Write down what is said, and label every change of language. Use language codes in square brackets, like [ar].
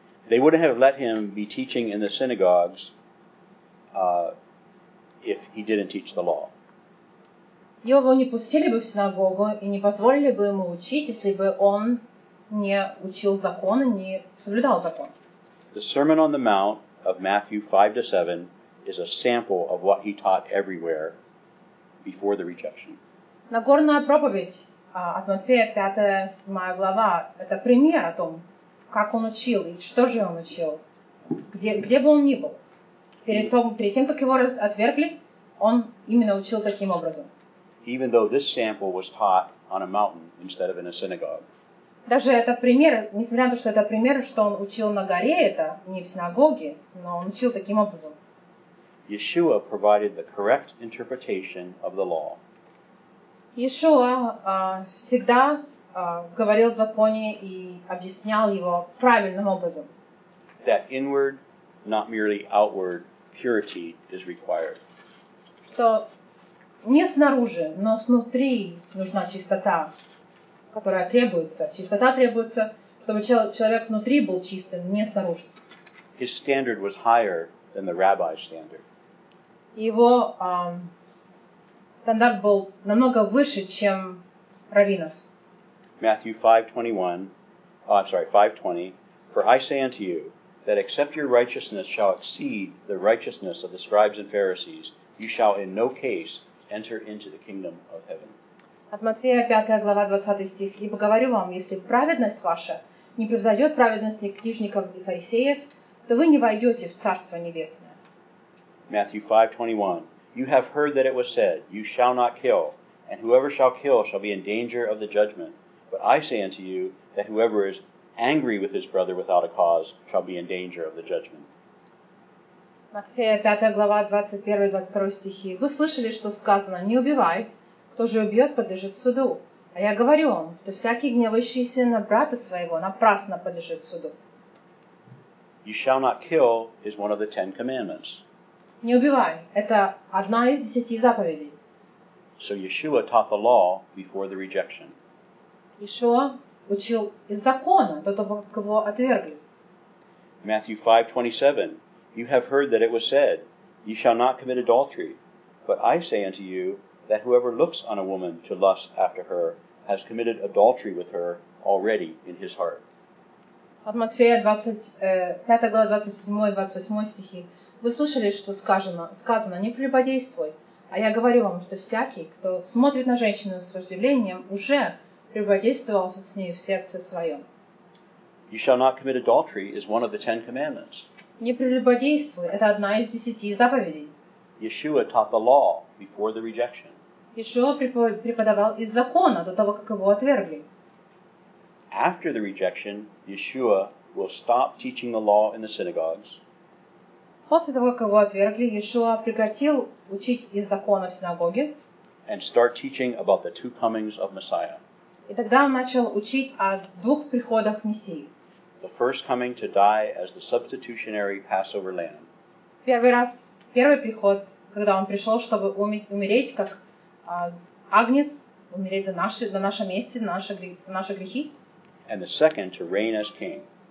[en] They wouldn't have let him be teaching in the synagogues if he didn't teach the law. [ru] Его не пустили бы в синагогу и не позволили бы ему учить, если бы он не учил закон и не соблюдал закон. [en] The Sermon on the Mount of Matthew 5-7 is a sample of what he taught everywhere before the rejection. [ru] Нагорная проповедь от Матфея 5-7 глава – это пример о том, как он учил и что же он учил, где бы он ни был. Перед тем, как его отвергли, он именно учил таким образом. [en] Even though this sample was taught on a mountain instead of in a synagogue. [ru] Даже этот пример, несмотря на то, что это пример, что он учил на горе, это не в синагоге, но он учил таким образом. [en] Yeshua provided the correct interpretation of the law. [ru] Yeshua всегда говорил в законе и объяснял его правильным образом. [en] That inward, not merely outward, purity is required. [ru] Что не снаружи, но снутри нужна чистота. Которая требуется. Чистота требуется, чтобы человек внутри был чистым, не снаружи. [en] His standard was higher than the rabbi's standard. [ru] Его стандарт был намного выше, чем раввинов. [en] Matthew 5:21, I'm sorry, 5:20, for I say unto you that except your righteousness shall exceed the righteousness of the scribes and Pharisees, you shall in no case enter into the kingdom of heaven. [ru] От Матфея 5 глава 20 стих. Ибо говорю вам, если праведность ваша не превзойдет праведности книжников и фарисеев, то вы не войдете в Царство Небесное. [en] Matthew 5:21. You have heard that it was said, you shall not kill, and whoever shall kill shall be in danger of the judgment. But I say unto you, that whoever is angry with his brother without a cause shall be in danger of the judgment. [ru] Матфея 5 глава 21-22 стихи. Вы слышали, что сказано, не убивай. Кто же убьет, подлежит суду. А я говорю вам, что всякий гневающийся на брата своего напрасно подлежит суду. [en] You shall not kill is one of the Ten Commandments. [ru] Не убивай. Это одна из десяти заповедей. [en] So Yeshua taught the law before the rejection. [ru] Yeshua учил из закона до того, как его отвергли. [en] Matthew 5:27. You have heard that it was said, you shall not commit adultery. But I say unto you, that whoever looks on a woman to lust after her has committed adultery with her already in his heart. [ru] От Матфея 5 глава 27-28 стихи. Вы слышали, что сказано, не прелюбодействуй. А я говорю вам, что всякий, кто смотрит на женщину с вожделением, уже прелюбодействовал с ней в сердце своем. [en] You shall not commit adultery is one of the Ten Commandments. [ru] Не прелюбодействуй – это одна из десяти заповедей. [en] Yeshua taught the law before the rejection. [ru] Yeshua преподавал из закона до того, как его отвергли. [en] After the rejection, Yeshua will stop teaching the law in the synagogues. [ru] После того, как его отвергли, Yeshua прекратил учить из закона в синагоге. [en] And start teaching about the two comings of Messiah. [ru] И тогда он начал учить о двух приходах Мессии. [en] the first coming to die as the substitutionary Passover lamb. [ru] Первый раз, первый приход, когда он пришел, чтобы умереть как агнец, умереть на наше месте, за наши грехи. [en] And the second to reign as king.